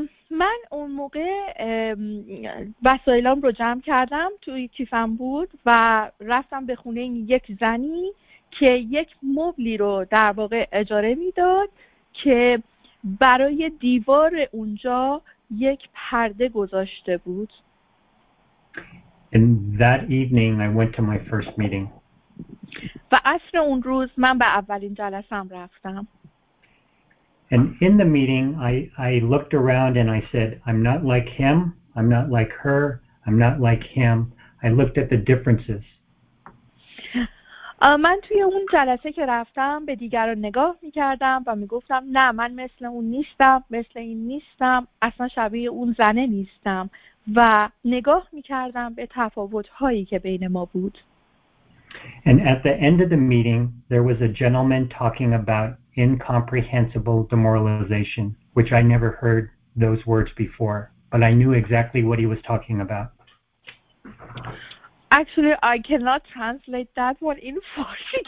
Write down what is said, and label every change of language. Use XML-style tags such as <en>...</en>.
<fa>من اون موقع وسایلام رو جمع کردم، توی کیفم بود و رفتم به خونه یک زنی که یک مبلی رو در واقع اجاره میداد که برای دیوار اونجا یک پرده گذاشته بود.</fa> <en>And that evening I went to my first meeting.</en> <fa>و عصر اون روز من به اولین جلسه‌ام رفتم.</fa> <en>And in the meeting I looked around and I said, I'm not like him, I'm not like her, I'm not like him. I looked at the differences.</en> <fa>من توی اون جلسه که رفتم به دیگران نگاه میکردم و میگفتم نه من مثل اون نیستم، مثل این نیستم، اصلا شبیه اون زنه نیستم و نگاه میکردم به تفاوتهایی که بین ما بود.</fa> <en>And at the end of the meeting, there was a gentleman talking about incomprehensible demoralization, which I never heard those words before, but I knew exactly what he was talking about. Actually, I cannot translate that one in Farsi.</en>